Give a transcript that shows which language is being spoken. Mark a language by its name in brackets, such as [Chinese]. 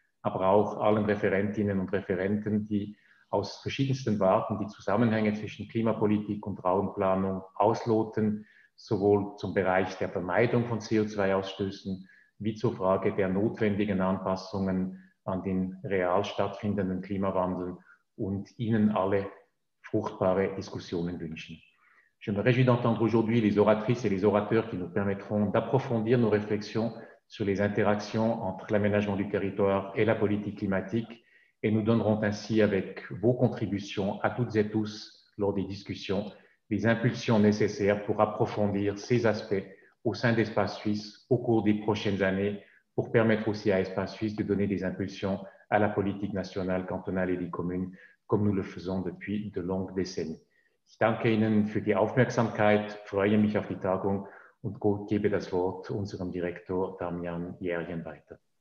[German] aber auch allen Referentinnen und Referenten, die aus verschiedensten Warten die Zusammenhänge zwischen Klimapolitik und Raumplanung ausloten, sowohl zum Bereich der Vermeidung von CO2-Ausstößen wie zur Frage der notwendigen Anpassungen an den real stattfindenden Klimawandel und Ihnen alle fruchtbare Diskussionen wünschen. [French] Je me réjouis d'entendre aujourd'hui les oratrices et les orateurs qui nous permettront d'approfondir nos réflexions sur les interactions entre l'aménagement du territoire et la politique climatique et nous donneront ainsi, avec vos contributions à toutes et tous lors des discussions, les impulsions nécessaires pour approfondir ces aspects au sein d'Espace Suisse au cours des prochaines années pour permettre aussi à Espace Suisse de donner des impulsions à la politique nationale, cantonale et des communes, comme nous le faisons depuis de longues décennies. [German] Ich danke Ihnen für die Aufmerksamkeit, freue mich auf die Tagung und gebe das Wort unserem Direktor Damian Järjen weiter.